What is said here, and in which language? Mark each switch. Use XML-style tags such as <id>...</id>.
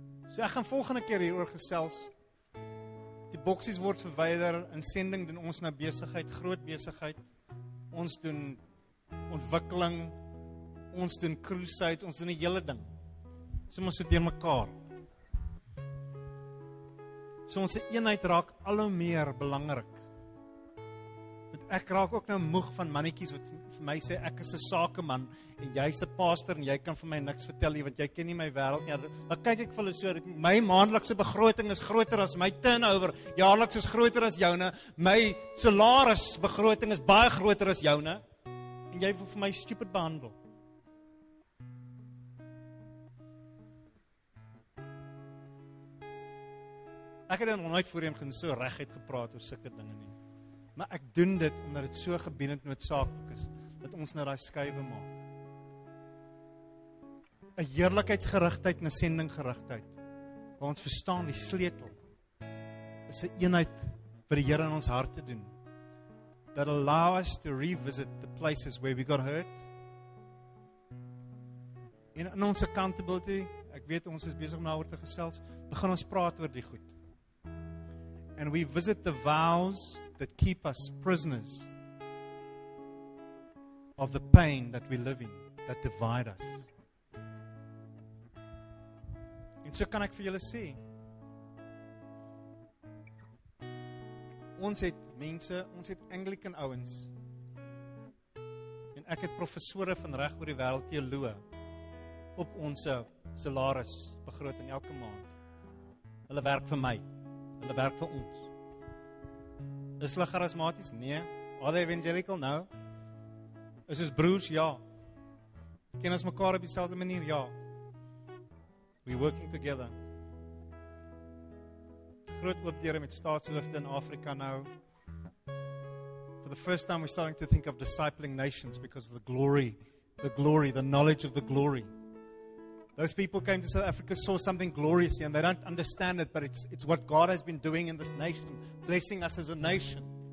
<af>So ek gaan volgende keer hieroor gesels. Die boksies word verwyder en sending doen ons na besigheid, groot besigheid. Ons doen ontwikkeling, ons doen crusades, ons doen die hele ding. So ons sit deur mekaar. So ons eenheid raak al hoe meer belangrik. Want ek raak ook nou moeg van mannetjies wat vir my sê ek is 'n sakeman en jy's 'n pastor en jy kan vir my niks vertel nie want jy ken nie my wêreld nie. Dan kyk ek vir hulle so, my maandelikse begroting is groter as my turnover, jaarliks is groter as joune, my salaris begroting is baie groter as joune. En jy vir my stupid behandel. Ek het nog nooit voorheen gaan so reguit gepraat oor sulke dinge nie. Maar ek doen dit omdat dit so gebiedend noodsaaklik is dat ons nou daai skuiwe maak. 'N Heerlikheidsgerigtheid en 'n sendinggerigtheid. Waar ons verstaan die sleutel is 'n eenheid vir die Here in ons hart te doen.</af> <en>That allow us to revisit the places where we got hurt.</en> <af>In ons accountability, ek weet ons is besig om daaroor te gesels, begin ons praat oor die goed.</af> <en>And we visit the vows that keep us prisoners of the pain that we live in, that divide us.</en> <af>En so kan ek vir julle sê, ons het mense, ons het Anglican ouens, en ek het professore van reg oor die wêreld, teoloë, op ons salaris begroting elke maand. Hulle werk vir my, hulle werk vir ons. Is hulle charismaties? Nee.</af> <en>Are they evangelical? No.</en> <af>Is ons broers? Ja. Ken ons mekaar op dieselfde manier? Ja.</af> <en>We're working together.</en> <af>Groot oop deure met staatshoofde in Afrika nou.</af> <en>For the first time we're starting to think of discipling nations because of the glory, the knowledge of the glory. Those people came to South Africa, saw something glorious here, and they don't understand it, but it's what God has been doing in this nation, blessing us as a nation.</en>